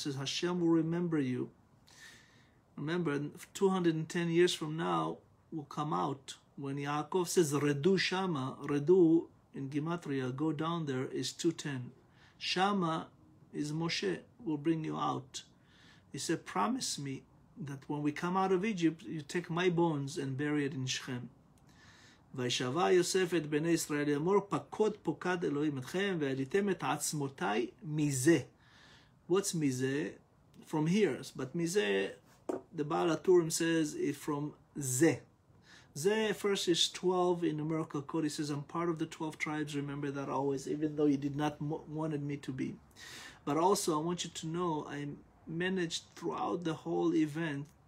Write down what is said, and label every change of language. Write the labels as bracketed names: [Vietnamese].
[English] Says, Hashem will remember you. Remember, 210 years from now will come out when Yaakov says, Redu Shama. Redu in Gematria, go down there, is 210. Shama is Moshe, will bring you out. He said, promise me that when we come out of Egypt, you take my bones and bury it in Shechem. [Hebrew] וישבה יוסף את בני ישראל אמור פקוד פוקד אלוהים אתכם ועליתם את עצמותיי מזה. [English] What's מזה? From here. But מזה, the Baal HaTurim says, is from זה. זה first is 12 in the numerical code. He says, I'm part of the 12 tribes. Remember that always, even though you did not wanted me to be. But also, I want you to know, I managed throughout the whole event,